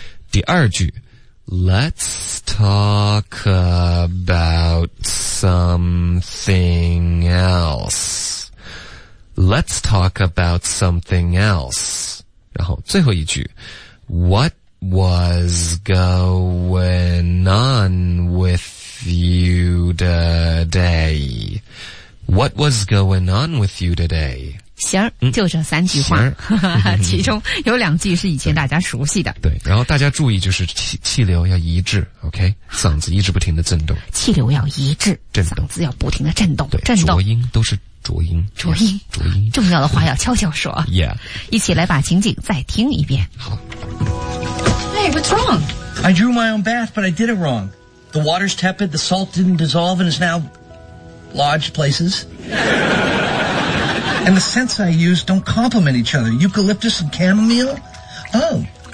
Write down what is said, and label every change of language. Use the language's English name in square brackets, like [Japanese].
[Chinese] 第二句 [English] ,let's talk about something else. Let's talk about something else. [Chinese] 然后最后一句 [English] ,what was going on with you today? What was going on with you today? [Chinese] 行，就这三句话，其中有两句是以前大家熟悉的。对，然后大家注意，就是气流要一致 ，OK？嗓子一直不停的震动，气流要一致，震嗓子要不停的震动，对，震动，浊音都是浊音，浊音，浊音，重要的话要悄悄说。 [English] Yeah， [Chinese] 一起来把情景再听一遍。好。 [English] away. What's wrong? I drew my own bath, but I did it wrong. The water's tepid, the salt didn't dissolve, and is now lodged places. And the scents I use don't complement each other. Eucalyptus and chamomile? Oh.